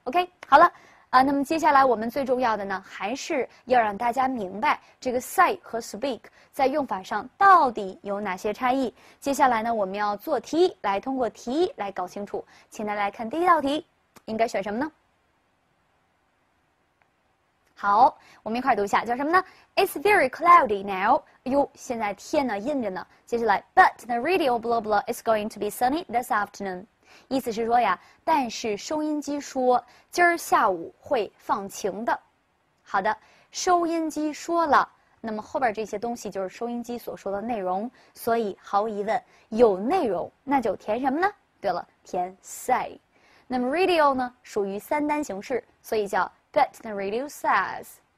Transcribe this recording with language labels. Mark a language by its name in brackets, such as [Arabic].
[Chinese] OK， 好了那么接下来我们最重要的呢，还是要让大家明白这个 say 和 speak 在用法上到底有哪些差异。接下来呢，我们要做题，来通过题来搞清楚。请大家来看第一道题，应该选什么呢？好，我们一块读一下，叫什么呢？ [English] It's very cloudy now. [Chinese] 哟，现在天呢阴着呢。接下来 But the radio blah blah is going to be sunny this afternoon. 意思是说呀，但是收音机说今儿下午会放晴的。好的，收音机说了，那么后边这些东西就是收音机所说的内容，所以毫无疑问有内容，那就填什么呢？对了，填 say。那么 radio 呢属于三单形式，所以叫 [English] but the radio says。